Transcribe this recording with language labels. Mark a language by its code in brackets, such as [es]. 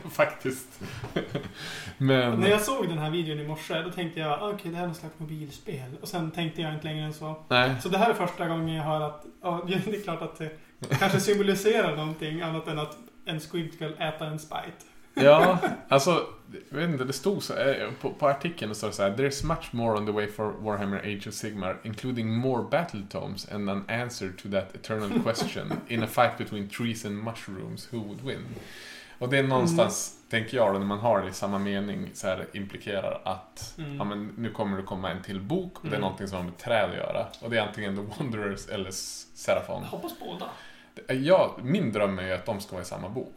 [sv] Faktiskt. Men... När jag såg den här videon i morse, då tänkte jag, okej, det här är något slags mobilspel. Och sen tänkte jag inte längre än så. Nej. Så det här är första gången jag hör att, ja, det är klart att det kanske symboliserar någonting annat än att en squid ska äta en spite. Ja, alltså, jag vet inte, det stod så på artikeln så att säga, [en] there's much more on the way for Warhammer Age of Sigmar, including more battle tomes and an answer to that eternal question in a fight between trees and mushrooms, who would win? [sv] Och det är någonstans, mm. tänker jag, när man har det i samma mening, så här implikerar att mm. ja, men nu kommer det komma en till bok och det är mm. någonting som har med träd att göra. Och det är antingen The Wanderers eller Seraphon. Jag hoppas båda. Ja, min dröm är ju att de ska vara i samma bok.